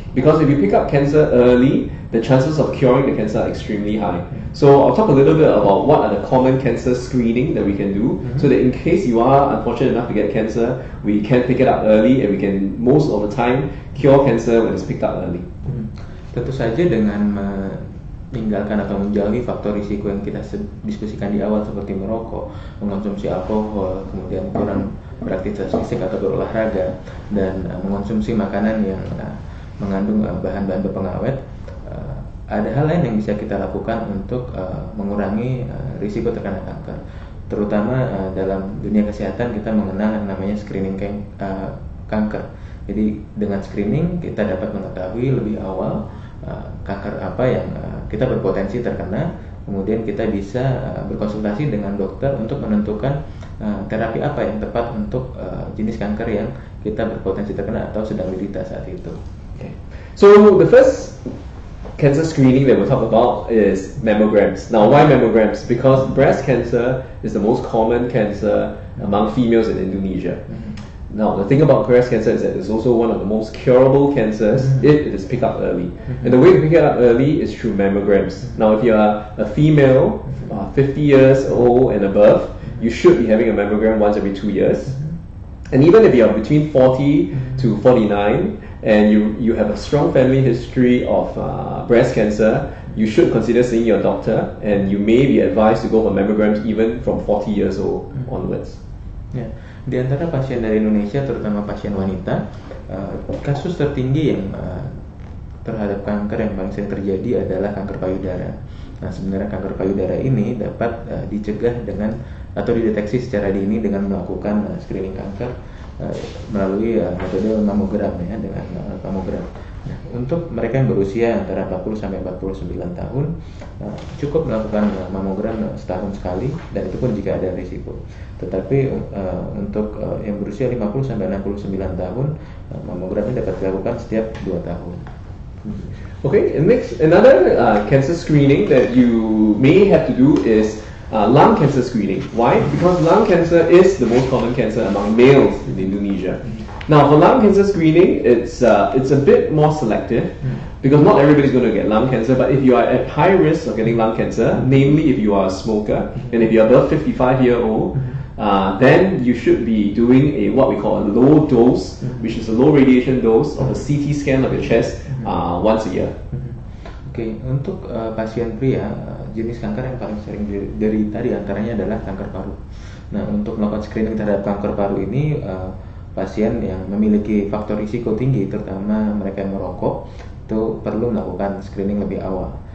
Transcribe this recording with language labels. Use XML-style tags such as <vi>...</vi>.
<en>Because if you pick up cancer early, the chances of curing the cancer are extremely high. So I'll talk a little bit about what are the common cancer screening that we can do, so that in case you are unfortunate enough to get cancer, we can pick it up early and we can most of the time cure cancer when it's picked up early.</en> <id>Tentu saja dengan meninggalkan atau menjauhi faktor risiko yang kita diskusikan di awal seperti merokok, mengonsumsi alkohol, kemudian kurang beraktivitas fisik atau berolahraga, dan mengonsumsi makanan yang mengandung bahan-bahan berpengawet, ada hal lain yang bisa kita lakukan untuk mengurangi risiko terkena kanker. Terutama dalam dunia kesehatan kita mengenal yang namanya screening kanker. Jadi dengan screening kita dapat mengetahui lebih awal kanker apa yang kita berpotensi terkena, kemudian kita bisa berkonsultasi dengan dokter untuk menentukan terapi apa yang tepat untuk jenis kanker yang kita berpotensi terkena atau sedang diderita saat itu.</id> <en>Okay. So the first cancer screening that we'll talk about is mammograms. Now, why mammograms? Because breast cancer is the most common cancer among females in Indonesia. Now, the thing about breast cancer is that it's also one of the most curable cancers if it is picked up early. And the way to pick it up early is through mammograms. Now, if you are a female, 50 years old and above, you should be having a mammogram once every 2 years. And even if you are between 40 to 49, and you have a strong family history of breast cancer, you should consider seeing your doctor, and you may be advised to go for mammograms even from 40 years old onwards.</en> <id>Ya, di antara pasien dari Indonesia, terutama pasien wanita, kasus tertinggi yang terhadap kanker yang paling sering terjadi adalah kanker payudara. Nah, sebenarnya kanker payudara ini dapat dicegah dengan atau dideteksi secara dini dengan melakukan screening kanker melalui metode mamogram, ya, dengan mamogram. Nah, untuk mereka yang berusia antara 40 sampai 49 tahun, cukup melakukan mamogram setahun sekali, dan itu pun jika ada risiko. Tetapi untuk yang berusia 50 sampai 69 tahun, mamogramnya dapat dilakukan setiap 2 tahun.</id> <en>Okay, another cancer screening that you may have to do is lung cancer screening. Why? Because lung cancer is the most common cancer among males in Indonesia. Now, for lung cancer screening, it's a bit more selective because not everybody's going to get lung cancer, but if you are at high risk of getting lung cancer, namely if you are a smoker and if you are above 55 years old, then you should be doing a what we call a low dose, which is a low radiation dose of a CT scan of your chest once a year.</en> <id>Okay, untuk pasien pria, jenis kanker yang paling sering diderita diantaranya adalah kanker paru. Nah, untuk melakukan screening terhadap kanker paru ini, pasien yang memiliki faktor risiko tinggi, terutama mereka yang merokok, itu perlu melakukan screening lebih awal.</id>